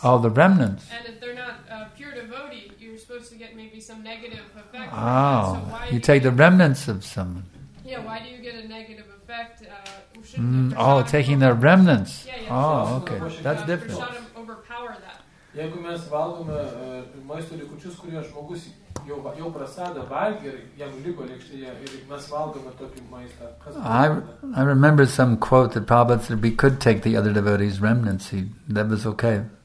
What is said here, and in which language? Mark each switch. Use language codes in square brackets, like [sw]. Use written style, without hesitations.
[en] All the remnants. And if they're not a pure devotee, you're supposed to get maybe some negative effect. Oh, so you take the remnants of someone. Yeah, why do you get a negative effect? Taking their remnants. Yeah, oh, okay. That's different. Prasadam overpower that. [lt] Jeigu mes valgome maisto likučius, kurie žmogus jau prasada valgė ir jam liko lėkštėje, ir mes valgome tokį maistą. [en] I remember some quote that Prabhupada said we could take the other devotee's remnants. That was okay.